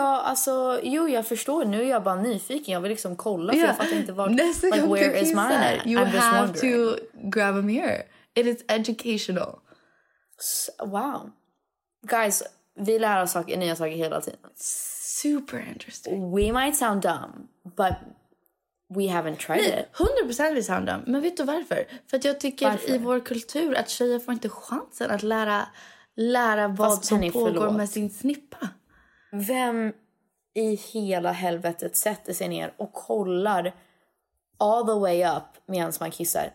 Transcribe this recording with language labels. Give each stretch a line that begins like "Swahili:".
Swedish: Ja, alltså, jo, jag förstår, nu är jag bara nyfiken. Jag vill liksom kolla, för jag fattar inte vart.
English: Nästa gång like, where is mine? You I'm have to grab a mirror. It is educational. Wow.
Swedish: Guys, vi lär oss saker, nya saker hela tiden.
English: Super interesting. We might sound dumb, but we haven't tried it. 100% we sound dumb,
Swedish: men vet du varför? För att jag tycker i vår kultur att tjejer får inte chansen att lära vad som pågår med sin snippa. Vem i hela helvetet sätter sig ner och kollar
English: all the way up
Swedish: medan man kissar?